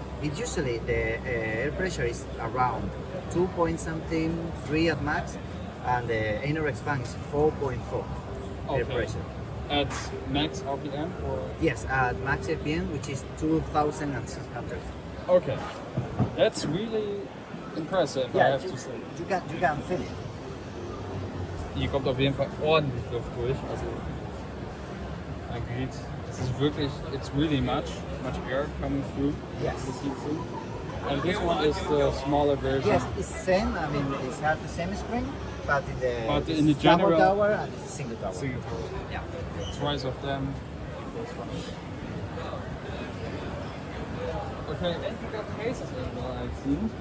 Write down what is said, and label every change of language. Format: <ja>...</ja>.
<en>It usually the air pressure is around 2.3 at max, and the Einarex fan is 4.4 air pressure. At max RPM or? Yes, at max RPM, which is 2600. Okay, that's really impressive, yeah, I have to say. You can feel it.</en> <de>Hier kommt auf jeden Fall ordentlich Luft durch, also man geht, es ist wirklich,</de> <en>it's really much air coming through. Yes. The system. And this one is the smaller version. Yes, it's same, I mean, it has the same screen, but in the, but in the general, double tower and it's a single tower. Single tower. Yeah. Twice of them. Okay, and you got cases as well, I've seen.</en>